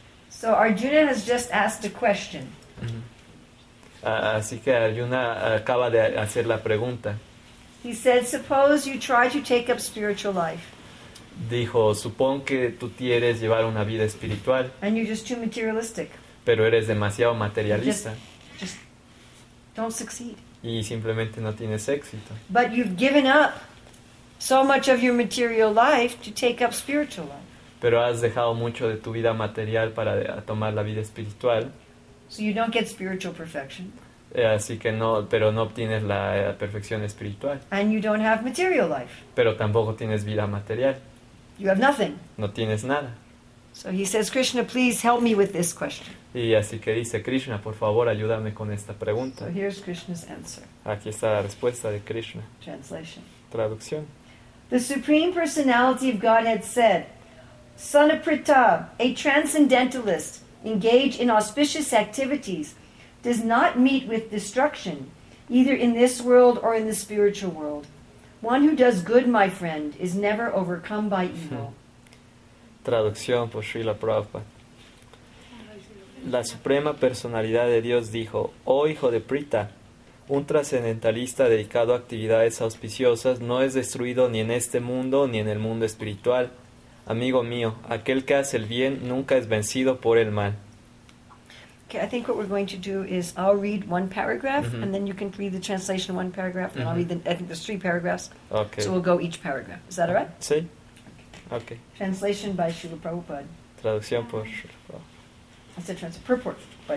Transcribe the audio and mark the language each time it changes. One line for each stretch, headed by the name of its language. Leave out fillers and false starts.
English: So Arjuna has just asked a question.
Spanish: Así que Arjuna acaba de hacer la pregunta.
English: He said, "Suppose you try to take up spiritual life."
Spanish: Dijo, supón que tú quieres llevar una vida espiritual.
English: And you're just too materialistic.
Spanish: Pero eres demasiado materialista.
English: Just don't succeed.
Spanish: Y simplemente no tienes éxito.
English: But you've given up so much of your material life to take up spiritual life.
Spanish: Pero has dejado mucho de tu vida material para tomar la vida espiritual.
English: So you don't get spiritual perfection.
Spanish: Así que no, pero no obtienes la perfección espiritual.
English: And you don't have material life.
Spanish: Pero tampoco tienes vida material.
English: You have nothing.
Spanish: No tienes nada.
English: So he says, Krishna, please help me with this question.
Spanish: Y así que dice, Krishna, por favor, ayúdame con esta pregunta.
English: So here's Krishna's answer.
Spanish: Aquí está la respuesta de Krishna.
English: Translation.
Spanish: Traducción.
English: The Supreme Personality of Godhead said, Sanaprita, a transcendentalist, engaged in auspicious activities, does not meet with destruction, either in this world or in the spiritual world. One who does good, my friend, is never overcome by evil.
Spanish: Traducción por Srila Prabhupada. La Suprema Personalidad de Dios dijo, oh hijo de Prita, un trascendentalista dedicado a actividades auspiciosas no es destruido ni en este mundo ni en el mundo espiritual. Amigo mío, aquel que hace el bien nunca es vencido por el mal.
English: Okay, I think what we're going to do is I'll read one paragraph, and then you can read the translation of one paragraph, and I'll read, I think there's three paragraphs. Okay. So we'll go each paragraph. Is that all right?
Spanish: Sí. Okay.
English: Translation by Srila Prabhupada.
Spanish: Traducción por Srila
English: Prabhupada. I said translation. Purport. By